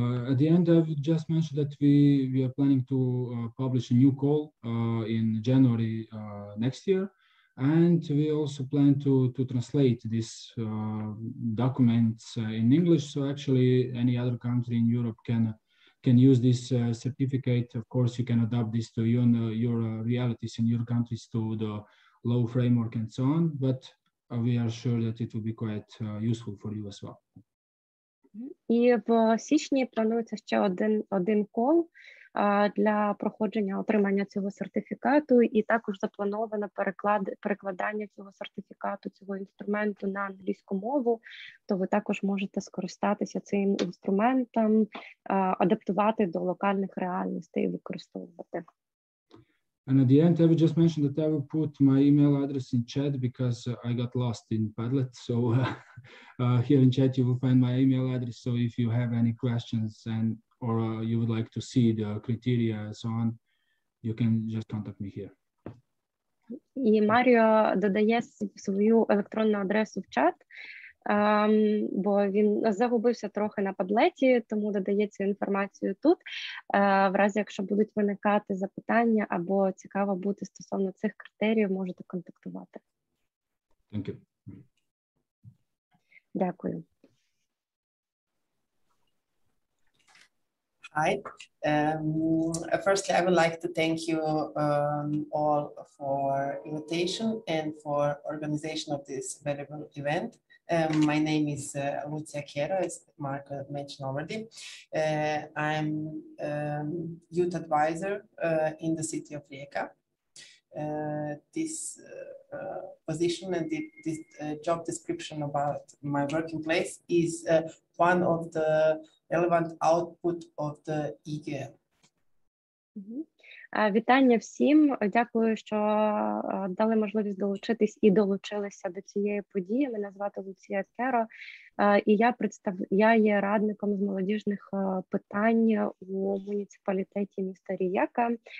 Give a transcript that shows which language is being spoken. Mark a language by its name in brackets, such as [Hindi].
[English] At the end, I would just mention that we are planning to publish a new call in January next year, and we also plan to translate these documents in English, so actually any other country in Europe can use this certificate. Of course, you can adapt this to your realities in your countries, to the law framework and so on, but we are sure that it will be quite useful for you as well. [Ukrainian] І в січні планується ще один кол для проходження отримання цього сертифікату, і також заплановано перекладання цього сертифікату, цього інструменту на англійську мову, то ви також можете скористатися цим інструментом, адаптувати до локальних реальностей і використовувати. [English] And at the end, I would just mention that I will put my email address in chat because I got lost in Padlet. So here in chat, you will find my email address. So if you have any questions and or you would like to see the criteria and so on, you can just contact me here. [Ukrainian] І Маріо додає свою електронну адресу в чат, бо він загубився трохи на Падлеті, тому додає цю інформацію тут. В разі, якщо будуть виникати запитання або цікаво бути стосовно цих критеріїв, можете контактувати. [English] Thank you. [Ukrainian] Дякую. [English] Hi. Firstly, I would like to thank you all for invitation and for organization of this valuable event. My name is Lucia Chiero, as Marco mentioned already. I'm youth advisor in the city of Rijeka. This position and this job description about my working place is one of the relevant output of the EGL. [Ukrainian] Вітання всім. Дякую, що дали можливість долучитись і долучилися до цієї події. Мене звати Луція Керо, і я є радником з молодіжних питань у муніципалітеті міста Рієка.